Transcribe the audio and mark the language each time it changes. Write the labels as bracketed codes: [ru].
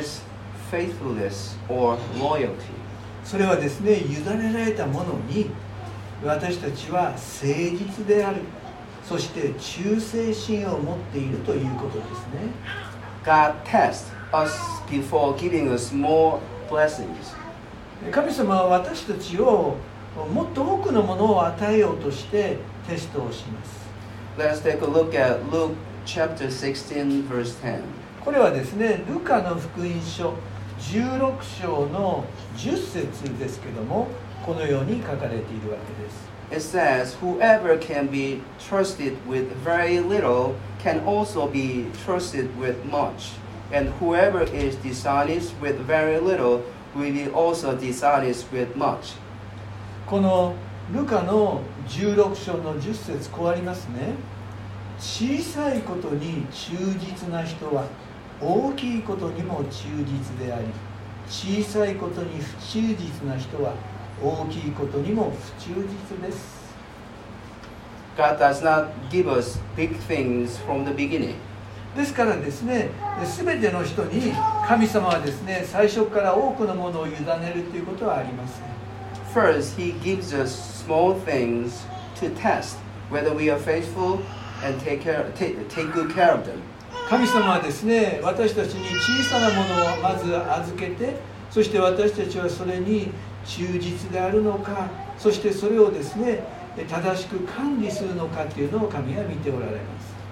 [en] It's faithfulness or loyalty. [ja] それはですね、委ねられたものに私たちは誠実である、そして忠誠心を持っているということですね。 [en] God tests us before giving us more blessings. [ja] 神様は私たちをもっと多くのものを与えようとしてテストをします。 [en] Let's take a look at Luke chapter 16, verse 10. [ja] これはですね、ルカの福音書16章の10節ですけども、このように書かれているわけです。 [en] It says, whoever can be trusted with very little can also be trusted with much. And whoever is dishonest with very little will be also dishonest with much. [ja] このルカの16章の10節こうありますね。小さいことに忠実な人は大きいことにも忠実であり、小さいことに不忠実な人は大きいことにも不忠実です。 [en] God does not give us big things from the beginning. [ja] ですからですね、全ての人に神様はですね、最初から多くのものを委ねるということはありません。 [en] First, he gives us small things to test whether we are faithful and take good care of them. [ja] 神様はですね、私たちに小さなものをまず預けて、そして私たちはそれに忠実であるのか、そしてそれをですね、正しく管理するのかというのを神は見ておられます。